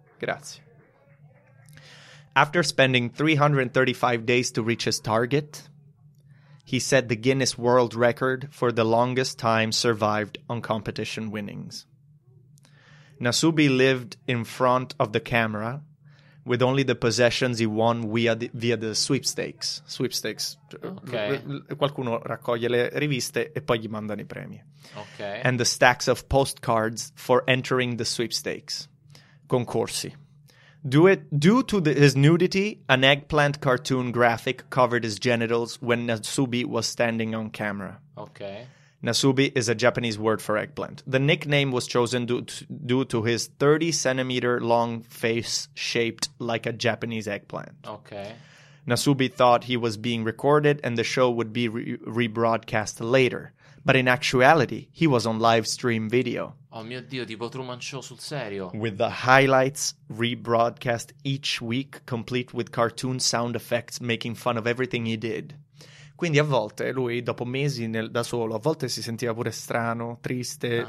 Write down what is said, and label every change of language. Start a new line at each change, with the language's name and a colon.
Italian: Grazie.
English: After spending 335 days to reach his target, he set the Guinness World Record for the longest time survived on competition winnings. Nasubi lived in front of the camera with only the possessions he won via the sweepstakes. Sweepstakes. Okay.
Italian: Qualcuno raccoglie le riviste e poi gli mandano i premi.
English: Okay. And the stacks of postcards for entering the sweepstakes. Concorsi. Due to his nudity, an eggplant cartoon graphic covered his genitals when Nasubi was standing on camera. Okay. Nasubi is a Japanese word for eggplant. The nickname was chosen due to his 30-centimeter long face shaped like a Japanese eggplant. Okay. Nasubi thought he was being recorded and the show would be rebroadcast later. But in actuality, he was on live stream video.
Italian: Oh mio Dio, tipo Truman Show sul serio.
English: With the highlights rebroadcast each week, complete with cartoon sound effects making fun of everything he did.
Italian: Quindi a volte lui, dopo mesi da solo, a volte si sentiva pure strano, triste, uh-huh.